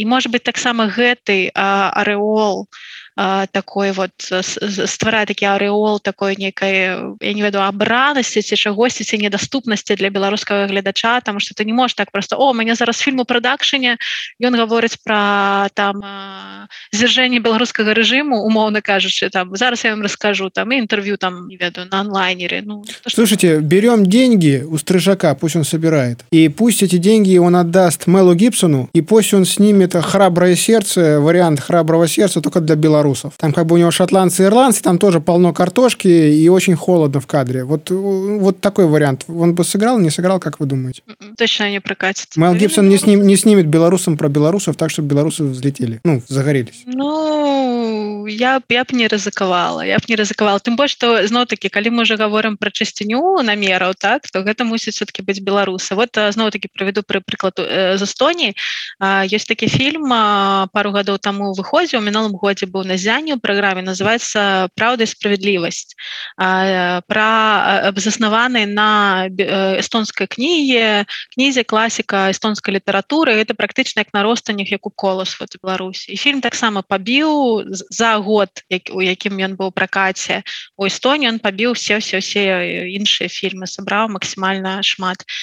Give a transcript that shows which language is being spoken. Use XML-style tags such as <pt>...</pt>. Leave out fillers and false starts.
<be>І можа быць таксама гэты ареол такой вот стварае такі ареол такой некай, я не ведаю, абранасці ці чагосьці, ці недаступнасці для беларускага гледача, таму што ты не можаш так проста, о, мене зараз фільм у прадакшэне, ён гаворыць пра там зніжэнне беларускага рэжыму, умоўна кажучы, там зараз я вам раскажу там інтэрв'ю там, не ведаю, на онлайнеры. Ну,</be> <ru>слушайте, берём деньги у Стрыжака, пусть он собирает. И пусть эти деньги он отдаст Мелу Гибсону, и пусть он снимет «Храброе сердце», вариант «Храброго сердца» только для белорусов. Там как бы у него шотландцы и ирландцы, там тоже полно картошки и очень холодно в кадре. Вот такой вариант. Он бы сыграл, не сыграл, как вы думаете? Точно не прокатит. Мел Гибсон не снимет белорусам про белорусов так, чтобы белорусы взлетели. Ну, загорелись.</ru> <be>Ну, я б не рызыкавала. Я б не рызыкавала.</be> <ru>Тем более, что, знов-таки, коли мы уже говорим про частиню намеров, так, то это мусит все-таки быть белорусы. Вот, знов-таки, проведу приклад из Эстонии. Есть такой фильм, пару годов тому выходил,</ru> <be>в минулом году быў на зянні ў праграме, называецца «Праўда і справедлівасць», пра заснаваны на эстонскай кнізе класіка эстонскай літаратуры. Гэта практычна як наростанях, як у «Колос» у Беларусі. І фільм таксама пабіў за год, у якім ён быў у пракаце у Эстоніі, ён пабіў усе іншыя фільмы, сабраў максімальна шмат.</be>